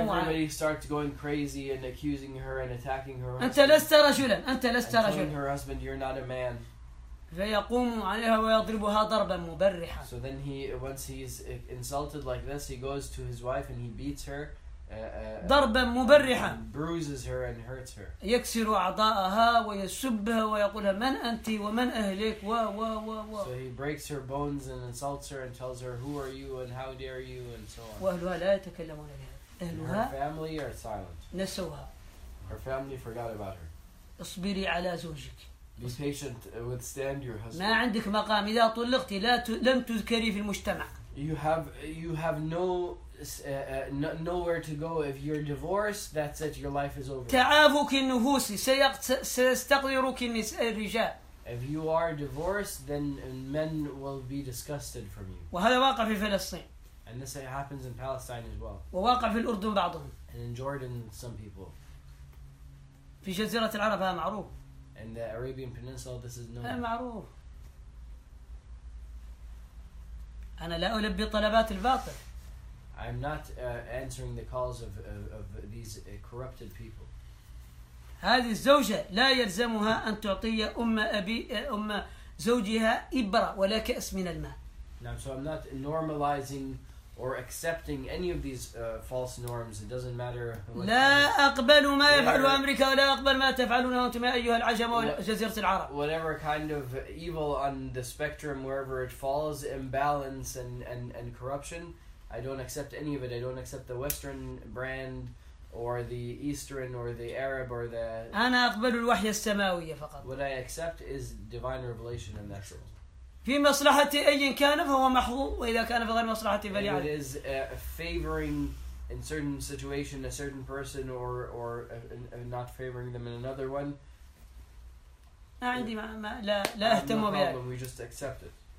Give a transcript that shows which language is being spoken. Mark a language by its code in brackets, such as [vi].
[en] everybody starts going crazy and accusing her and attacking her [ar] أنت لست رجلا أنت لست رجلا [en] telling her husband you're not a man [ar] فيقوم عليها ويضربها ضربا مبرحا. [en] So then he once he's insulted like this he goes to his wife and he beats her [ar] ضربا مبرحا [en] and bruises her and hurts her [ar] يكسر أعضاءها ويسبها ويقولها من أنت ومن أهلك و و و و [en] so he breaks her bones and insults her and tells her who are you and how dare you and so on [ar] وأهلها لا يتكلمون بها أهلها [en] her family are silent [ar] نسوها [en] her family forgot about her [ar] اصبري على زوجك [en] be patient withstand your husband [ar] ما عندك مقام إذا طلقتي لا لم تذكري في المجتمع [en] you have no nowhere to go if you're divorced that's it your life is over [ar] تعافك النفوسي سيستقذرك النساء الرجال [en] if you are divorced then men will be disgusted from you [ar] وهذا واقع في فلسطين [en] and this happens in Palestine as well [ar] وواقع في الأردن بعضهم [en] and in Jordan some people [ar] في جزيرة العرب هذا معروف [en] in the Arabian Peninsula this is known [ar] معروف أنا لا ألبي طلبات الباطل [en] I'm not answering the calls of these corrupted people. [ar] هذه الزوجة لا يلزمها أن تعطي أم زوجها إبرة ولا كأس من الماء. [en] Now, so I'm not normalizing or accepting any of these false norms. It doesn't matter. [ar] لا أقبل ما يفعل أمريكا ولا أقبل ما تفعلون أنتم أيها العجم وجزيرة العرب. [en] Whatever kind of evil on the spectrum, wherever it falls, imbalance and corruption. I don't accept any of it. I don't accept the Western brand or the Eastern or the Arab or the... [ar] أنا أقبل الوحي السماوي فقط. [en] What I accept is divine revelation and that's all. [ar] في مصلحتي أي كان فهو محظوظ وإذا كان في غير مصلحتي فلا. [en] It is favoring in certain situation a certain person or not favoring them in another one. [ar] ما عندي ما لا أهتم بها. [en] No problem. We just accept it.